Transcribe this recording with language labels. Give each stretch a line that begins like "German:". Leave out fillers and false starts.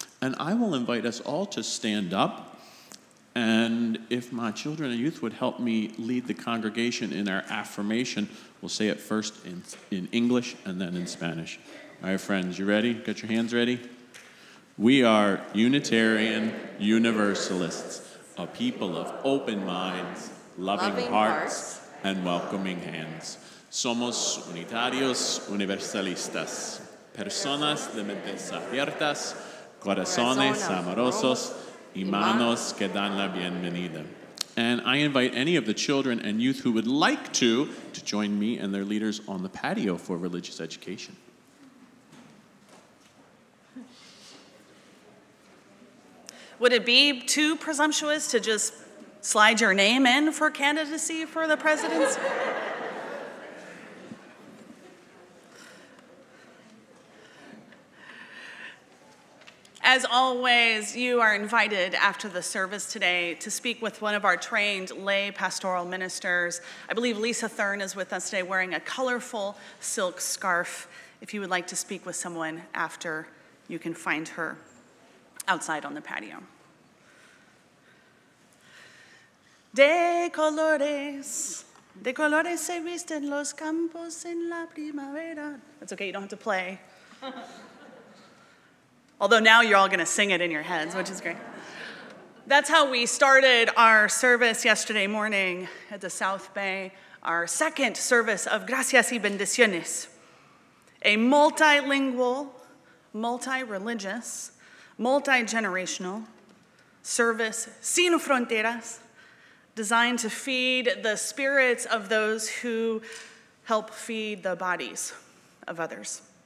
English: And I will invite us all to stand up. And if my children and youth would help me lead the congregation in our affirmation, we'll say it first in English and then in Spanish. All right, friends, you ready? Got your hands ready? We are Unitarian Universalists, a people of open minds, loving hearts, and welcoming hands.
Spanish: Somos Unitarios Universalistas, personas de mentes abiertas, corazones amorosos, y manos que dan la bienvenida.
English: And I invite any of the children and youth who would like to join me and their leaders on the patio for religious education. Would it be too presumptuous to just slide your name in for candidacy for the presidency? As always, you are invited after the service today to speak with one of our trained lay pastoral ministers. I believe Lisa Thurn is with us today wearing a colorful silk scarf. If you would like to speak with someone after, you can find her outside on the patio.
Spanish: De colores se visten los campos en la primavera.
English: That's okay, you don't have to play. Although now you're all gonna sing it in your heads, which is great. That's how we started our service yesterday morning at the South Bay, our second service of Gracias y Bendiciones, a multilingual, multi-religious, multi-generational service
Spanish: sin fronteras,
English: designed to feed the spirits of those who help feed the bodies of others.